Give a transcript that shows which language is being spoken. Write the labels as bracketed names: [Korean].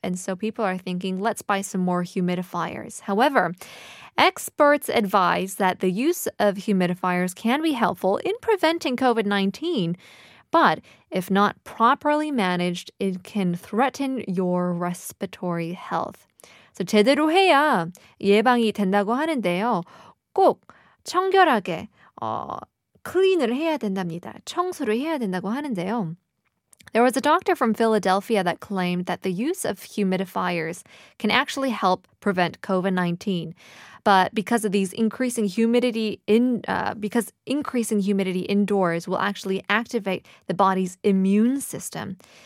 [English] And so people are thinking, let's buy some more humidifiers. However, experts advise that the use of humidifiers can be helpful in preventing COVID-19, but if not properly managed, it can threaten your respiratory health. [Korean] So 제대로 해야 예방이 된다고 하는데요. 꼭 청결하게 클린을 해야 된답니다. 청소를 해야 된다고 하는데요. [English] There was a doctor from Philadelphia that claimed that the use of humidifiers can actually help prevent COVID-19. But because of these increasing humidity indoors will actually activate the body's immune system.